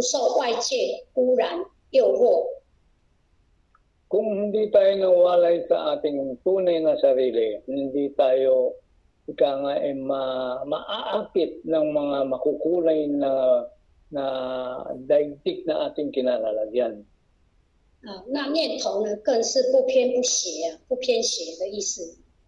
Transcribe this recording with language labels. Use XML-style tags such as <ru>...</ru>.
<zh>那不离开我们的本性呢，我们也会不受外界污染诱惑。</zh> <tl>Kung hindi tayo nawalay sa ating tunay na sarili, hindi tayo maaakit ng mga makukulay na daigdig na ating kinalalagyan.</tl> <zh>那念头呢，更是不偏不斜，不偏斜的意思。</zh>